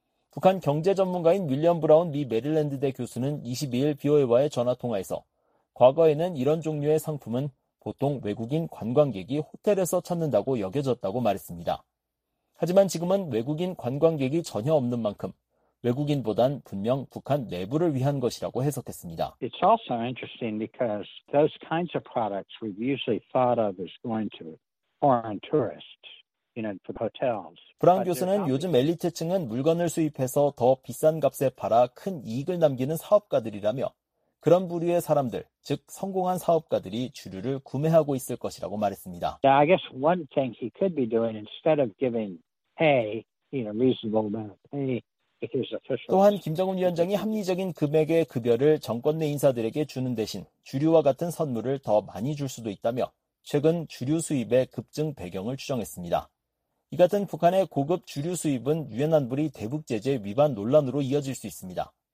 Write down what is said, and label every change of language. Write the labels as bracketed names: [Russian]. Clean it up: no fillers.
[Korean] 북한 경제 전문가인 윌리엄 브라운 미 메릴랜드대 교수는 22일 BOA와의 전화통화에서 과거에는 이런 종류의 상품은 보통 외국인 관광객이 호텔에서 찾는다고 여겨졌다고 말했습니다. 하지만 지금은 외국인 관광객이 전혀 없는 만큼 외국인보단 분명 북한 내부를 위한 것이라고 해석했습니다. [English] It's also interesting because those kinds of products we've usually thought of as going to foreign tourists, you know, for hotels. [Korean] 브라운 교수는 요즘 엘리트층은 물건을 수입해서 더 비싼 값에 팔아 큰 이익을 남기는 사업가들이라며 그런 부류의 사람들, 즉 성공한 사업가들이 주류를 구매하고 있을 것이라고 말했습니다. [English] Yeah, I guess one thing he could be doing instead of giving pay, you know, reasonable amount of pay, if his officials. [Korean] 또한 김정은 위원장이 합리적인 금액의 급여를 정권 내 인사들에게 주는 대신 주류와 같은 선물을 더 많이 줄 수도 있다며 최근 주류 수입의 급증 배경을 추정했습니다. 이 같은 북한의 고급 주류 수입은 유엔 안보리 대북 제재 위반 논란으로 이어질 수 있습니다.